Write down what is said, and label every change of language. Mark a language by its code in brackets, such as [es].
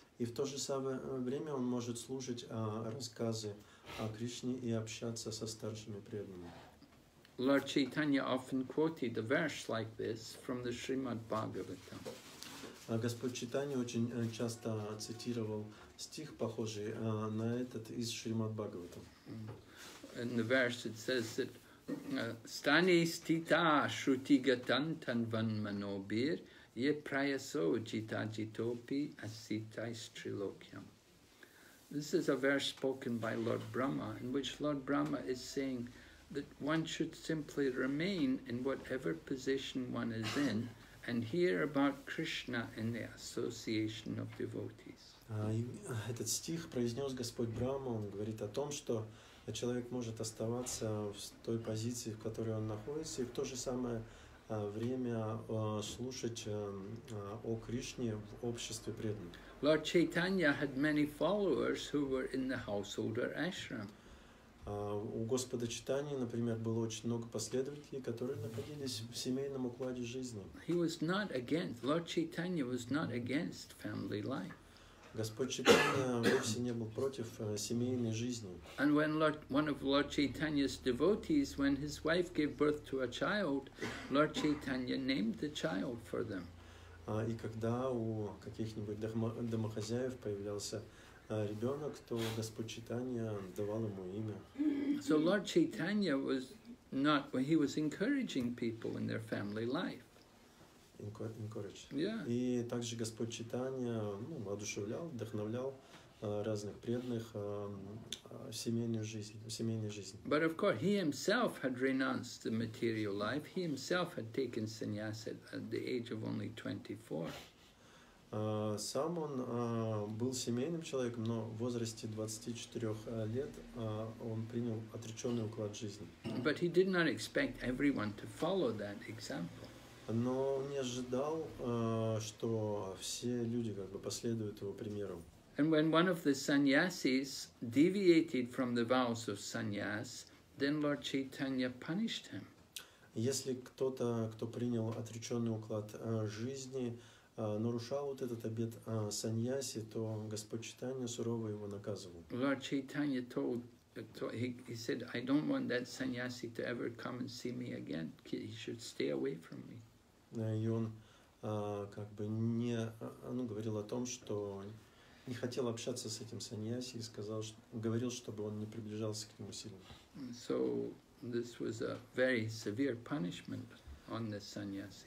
[ru] И в то же самое время он может слушать рассказы о Кришне и общаться со старшими преданными. [en] Lord Chaitanya often quoted a verse like this from the Srimad Bhagavatam. [ru] Господь Чайтанья очень часто цитировал стих, похожий на этот из Шримад Бхагаватам. [en] In the verse it says that [sa] stane stita shruti gatan tanvan manobir ye prayaso jita jitopi asita istrilokyam. [en] This is a verse spoken by Lord Brahma, in which Lord Brahma is saying that one should simply remain in whatever position one is in and hear about Krishna in the association of devotees. [ru] Этот стих произнес Господь Брахма. Он говорит о том, что человек может оставаться в той позиции, в которой он находится, и в то же самое время слушать о Кришне в обществе преданных. [en] Lord Chaitanya had many followers who were in the householder ashram. [ru] У Господа Чайтаньи, например, было очень много последователей, которые находились в семейном укладе жизни. [en] He was not against, Lord Chaitanya was not against family life. [ru] Господь Чайтанья вовсе не был против семейной жизни. [en] And when one of Lord Chaitanya's devotees, when his wife gave birth to a child, Lord Chaitanya named the child for them. [ru] И когда у каких-нибудь домохозяев появлялся ребенок, то Господь Чайтанья давал ему имя. [en] So Lord Chaitanya was not, well, he was encouraging people in their family life. Encourage. Yeah. [ru] И также Господь Чайтанья, ну, воодушевлял, вдохновлял разных преданных в семейной жизни. [en] But of course, he himself had renounced the material life. He himself had taken sannyas at the age of only 24. [ru] Сам он был семейным человеком, но в возрасте 24 лет он принял отреченный уклад жизни. [en] But he did not expect everyone to follow that example. [ru] Но он не ожидал, что все люди как бы последуют его примеру. [en] And when one of the sannyasis deviated from the vows of sannyas, then Lord Chaitanya punished him. [ru] Если кто-то, кто принял отреченный уклад жизни, нарушал вот этот обет саньяси, то Господь Чайтанья сурово его наказывал. [en] Lord Chaitanya he said, I don't want that sannyasi to ever come and see me again. He should stay away from me. [ru] И он как бы не, ну, говорил о том, что не хотел общаться с этим саньяси и сказал, говорил, чтобы он не приближался к нему сильно. [en] So this was a very severe punishment on the sannyasi.